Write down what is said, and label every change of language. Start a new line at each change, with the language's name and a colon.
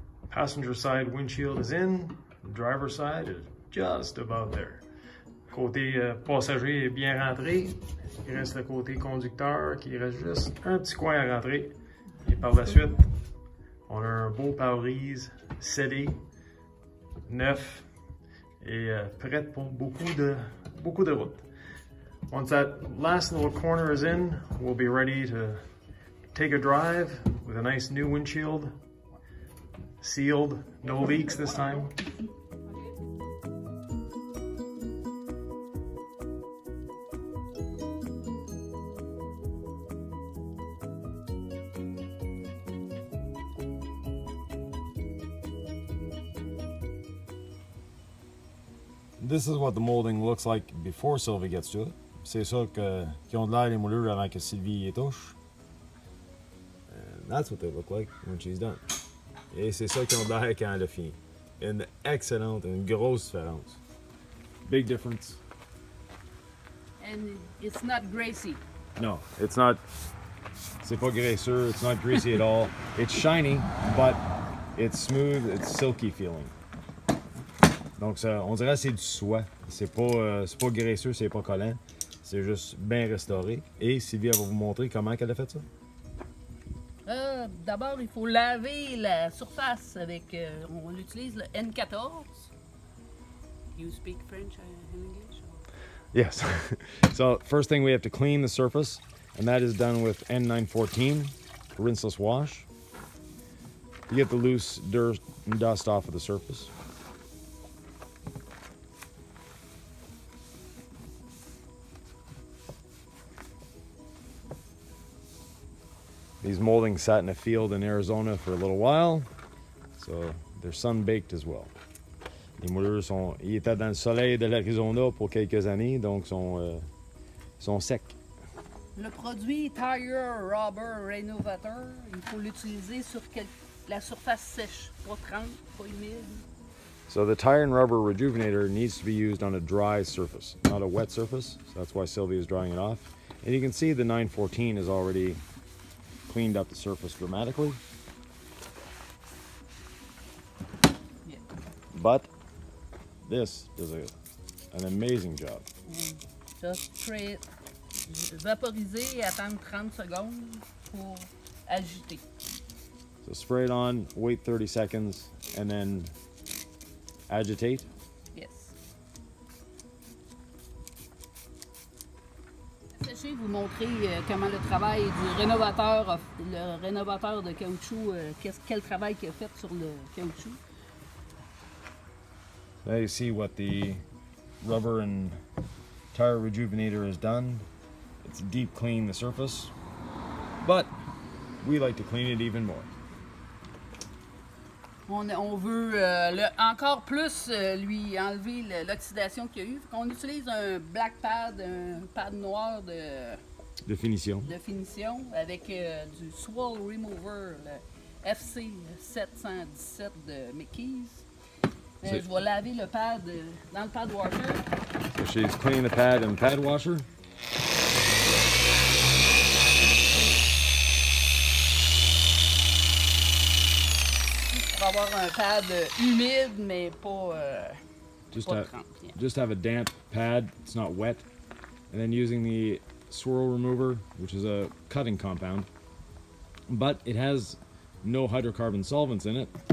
English: Passenger side windshield is in, driver side is just about there.
French: Côté passager est bien rentré, il reste le côté conducteur qui reste juste un petit coin à rentrer. Et par la suite, on a un beau pare-brise scellé, neuf et prêt pour beaucoup de route.
English: Once that last little corner is in, we'll be ready to take a drive with a nice new windshield. Sealed, no leaks this time. This is what the molding looks like before Sylvie gets to it.
French: C'est ça que qui ont de l'air les moulures avant que Sylvie y touche.
English: And that's what they look like when she's done.
French: Et c'est ça qu'on a quand elle a fini. Une excellente, une grosse différence.
English: Big difference. And it's not greasy. No, it's not.
French: C'est pas graisseux,
English: it's not greasy at all. It's shiny, but it's smooth, it's silky feeling.
French: Donc ça, on dirait que c'est du soie. C'est pas graisseux, c'est pas collant. C'est juste bien restauré. Et Sylvie va vous montrer comment elle a fait ça. D'abord, il faut laver la surface avec. On utilise le N14.
English: You speak French in English? Or? Yes. So, first thing we have to clean the surface, and that is done with N914, rinseless wash. You get the loose dirt and dust off of the surface. These moldings sat in a field in Arizona for a little while, so they're sun-baked as well.
French: Les moulures sont, ils étaient dans le soleil de l'Arizona pour quelques années, donc sont secs. Le produit Tire Rubber Renovator, il faut l'utiliser sur la surface sèche, pas 30, pas humide.
English: So the Tire and Rubber Rejuvenator needs to be used on a dry surface, not a wet surface, so that's why Sylvie is drying it off. And you can see the 914 is already cleaned up the surface dramatically. Yeah. But this does an amazing job. Just treat,
French: vaporiser et attendre 30 secondes pour agiter.
English: So spray it on, wait 30 seconds, and then agitate. Yes.
French: Je vais vous montrer comment le travail du rénovateur, le rénovateur de caoutchouc, quel travail qu'il a fait sur le caoutchouc.
English: Là, you see what the rubber and tire rejuvenator has done. It's deep clean the surface, but we like to clean it even more.
French: On veut encore plus lui enlever l'oxydation qu'il y a eu. On utilise un black pad, un pad noir de finition. De finition avec du Swirl remover, le FC717 de McKee. Je vais laver le pad dans le pad washer.
English: So she's cleaning the pad in the pad washer.
French: avoir un pad humide, mais pas trempé.
English: Just have a damp pad, it's not wet. And then using the swirl remover, which is a cutting compound, but it has no hydrocarbon solvents in it.